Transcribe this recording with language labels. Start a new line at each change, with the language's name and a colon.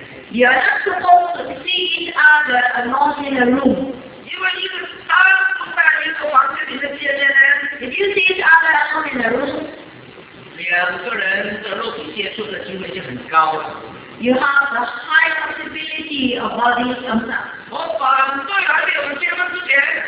English: You are not supposed to see each other alone in a room. If you see each other alone in the room,
Chinese: 两个人的肉体接触的机会就很高了。
English: You have the high possibility of body contact.
Chinese: 我反对还没有结婚之前